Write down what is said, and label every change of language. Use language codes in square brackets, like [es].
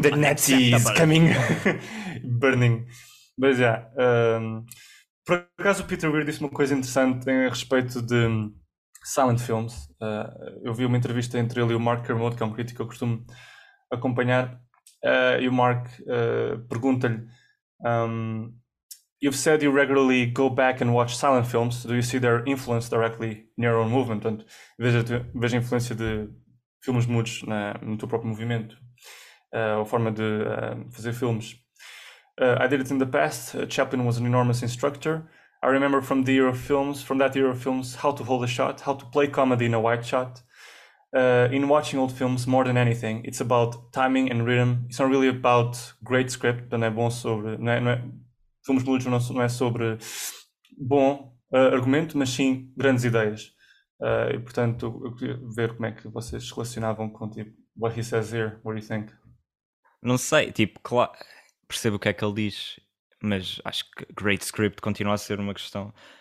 [en] The Nazis Unacceptable. coming burning. [pt] Mas já. Por acaso o Peter Weir disse uma coisa interessante a respeito de silent films. Eu vi uma entrevista entre ele e o Mark Kermode, que é um crítico que eu costumo acompanhar. E o Mark pergunta-lhe: [en] You've said you regularly go back and watch silent films. Do you see their influence directly in your own movement? [pt] Portanto, veja a influência de filmes mudos no teu próprio movimento. A forma de fazer filmes. [en] I did it in the past. Chaplin was an enormous instructor. I remember from that year of films, how to hold a shot, how to play comedy in a wide shot. In watching old films, more than anything, it's about timing and rhythm. It's not really about great script, [pt] não é bom sobre. Filmes mudos não é sobre bom argumento, mas sim grandes ideias. E portanto, eu queria ver como é que vocês se relacionavam com tipo, [en] what he says here, what do you think? [pt] Não sei, tipo, claro, percebo o que é que ele diz, mas acho que great script continua a ser uma questão.